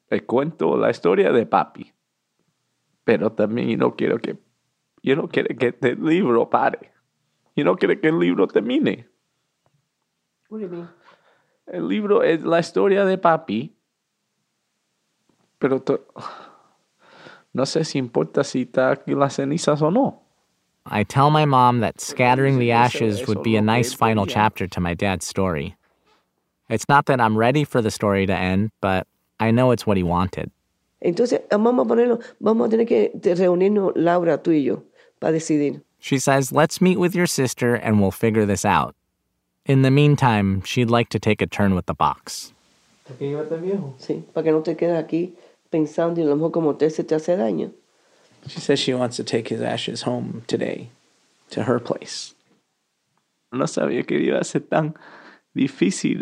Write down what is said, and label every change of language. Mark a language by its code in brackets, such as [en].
[es] El cuento, la historia de papi. Pero también yo no quiero que este libro pare. Yo no quiero que el libro termine. [en] What do you mean? [es] El libro es la historia de papi. Pero no sé si importa si está aquí las cenizas o no. [en] I tell my mom that scattering the ashes would be a nice final chapter to my dad's story. It's not that I'm ready for the story to end, but I know it's what he wanted. [es] Entonces, vamos a tener que reunirnos, Laura, tú y yo, para decidir. [en] She says, "Let's meet with your sister and we'll figure this out." In the meantime, she'd like to take a turn with the box. [es] ¿Te llevaste viejo? Sí, para que no te quedes aquí pensando y a lo mejor como te hace daño. [en] She says she wants to take his ashes home today, to her place. [es] No sabía que iba a ser tan difícil